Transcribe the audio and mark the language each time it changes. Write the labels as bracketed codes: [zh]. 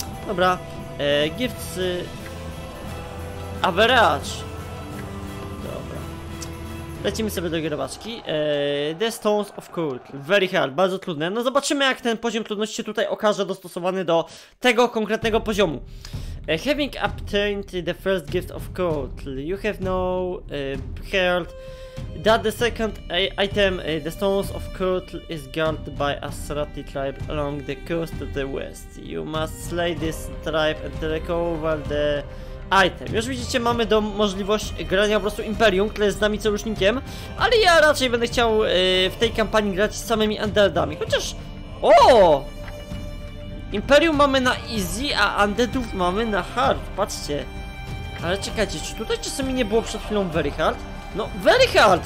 [pl] Dobra, Gifts Average. Dobra, lecimy sobie do grabaczki. The Stones of Cold, very hard, bardzo trudne. No zobaczymy, jak ten poziom trudności się tutaj okaże dostosowany do tego konkretnego poziomu. [en] Having obtained the first gift of Cold, you have now heard that the second item, the Stones of Cold, is guarded by Astrati tribe along the coast to the west. You must slay this tribe and recover the item. [pl] Już widzicie, mamy do możliwość grania po prostu Imperium, które jest z nami sojusznikiem. Ale ja raczej będę chciał w tej kampanii grać z samymi Undeadami. Chociaż... O! Imperium mamy na easy, a Undeadów mamy na hard. Patrzcie. Ale czekajcie, czy tutaj czasami nie było przed chwilą very hard? No, very hard!